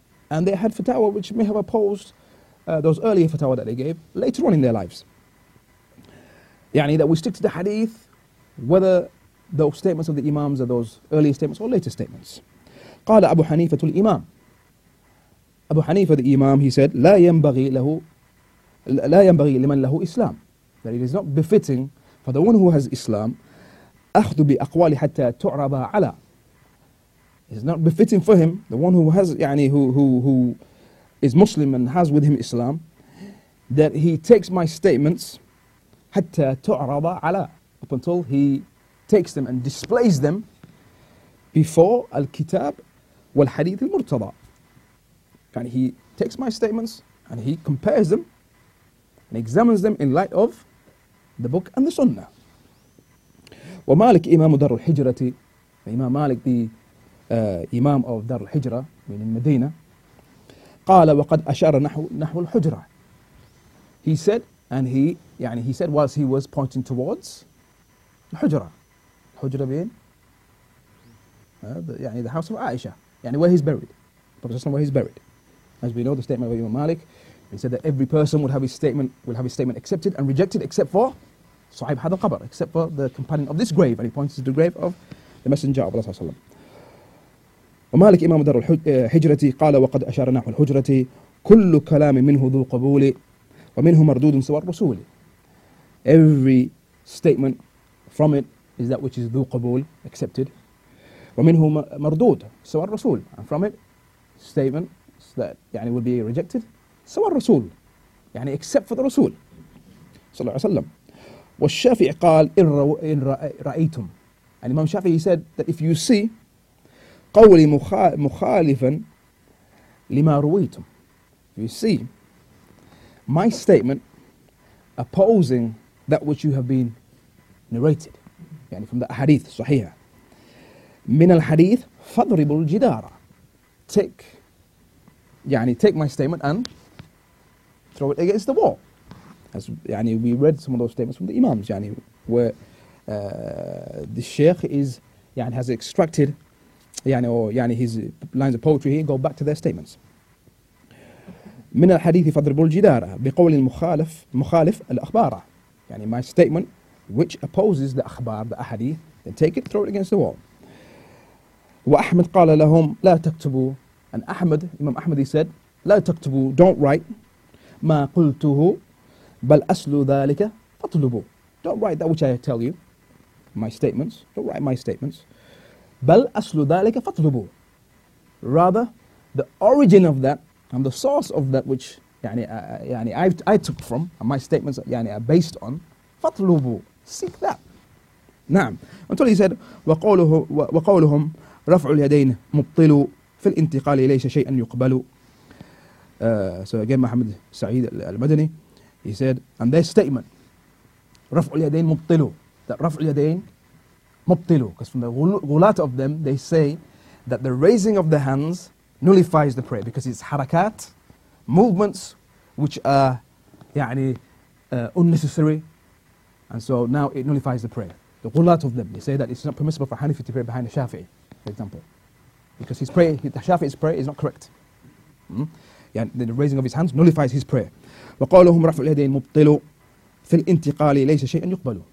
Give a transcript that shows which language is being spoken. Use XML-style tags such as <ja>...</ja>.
<en>And they had fatawa which may have opposed those earlier fatawa that they gave later on in their lives. That we stick to the hadith, whether those statements of the imams are those earlier statements or later statements.</en> <ar>قال أبو حنيفة الإمام. أبو حنيفة</ar> <en>the imam, he said,</en> <ar>لا ينبغي لمن له إسلام.</ar> <en>That it is not befitting for the one who has Islam,</en> <ar>أخذ بأقوال حتى تعرض على.</ar> <en>It's not befitting for him, the one who has who is Muslim and has with him Islam, that he takes my statements</en> <ar>حتى تعرض على,</ar> <en>up until he takes them and displays them before al-kitab wal-hadith al-murtada. And he takes my statements and he compares them and examines them in light of the book and the sunnah.</en> <ar>ومالك إمام دار الحجرة,</ar> <en>Imam Malik the Imam of Dar al-Hijra, meaning Medina,</en> <ar>قال وقد أشار نحو الحجرة.</ar> <en>He said, and he said whilst he was pointing towards الحجرة. Hujra bin, the house of Aisha, where he's buried, Prophet, where he's buried. As we know, the statement of Imam Malik, he said that every person will have his statement accepted and rejected, except for Sahib Hadha Qabr, except for the companion of this grave, and he points to the grave of the Messenger of Allah.</en> <ar>ومالك إمام دار الحجرة قال وقد أشار نحو الحجرة كل كلام منه ذو قبول ومنه مردود سوى الرسول.</ar> <en>Every statement from it is that which is ذو قبول, accepted.</en> <ar>ومنه مردود سوى الرسول.</ar> <en>And from it, statements that will be rejected</en> <ar>سوى الرسول,</ar> <en>except for the</en> <ar>رسول صلى الله عليه وسلم. والشافعي قال إن رأيتم,</ar> <en>and Imam Shafi'i said that if you see</en> <ar>qawli mukhalifan lima ruwaytum.</ar> <en>You see, my statement opposing that which you have been narrated, yani from the hadith, sahiha.</en> <ar>Min al hadith, fadribul jidara.</ar> <en>Take my statement and throw it against the wall. As yani we read some of those statements from the imams, yani where the sheikh is yani has extracted yani or yani his lines of poetry here go back to their statements.</en> <ar>من الحديث فضرب الجدار بقول المخالف مخالف الأخبار.</ar> <en>يعني my statement which opposes the أخبار the أحاديث then take it throw it against the wall.</en> <ar>وأحمد قال لهم لا تكتبوا.</ar> <en>And أحمد Imam Ahmad he said</en> <ar>لا تكتبوا</ar> <en>don't write</en> <ar>ما قلته بل أصل ذلك فطلبوا.</ar> <en>Don't write that which I tell you. My statements don't write my statements.</en> <ar>بل أصل ذلك فطلبوا.</ar> <en>Rather the origin of that. And the source of that which I took from and my statements are based on</en> <ar>فطلبوا</ar> <en>seek that.</en> <ar>نعم. Until he said وقولهم رفع اليدين مبطل في الانتقال ليس شيئا يقبل.</ar> <en>So again Muhammad Saeed al-Madani he said and their statement</en> <ar>رفع اليدين مبطل</ar> <en>that رفع اليدين مبطل because from the غلات of them they say that the raising of the hands nullifies the prayer because it's harakat, movements which are unnecessary, and so now it nullifies the prayer. The ghulat of them, they say that it's not permissible for Hanifi to pray behind a Shafi'i, for example, because his prayer, the Shafi'i's prayer is not correct. The raising of his hands nullifies his prayer.</en> <ar>وقالهم رفع اليدين مبطل في الانتقال ليس شيئا يقبل.</ar>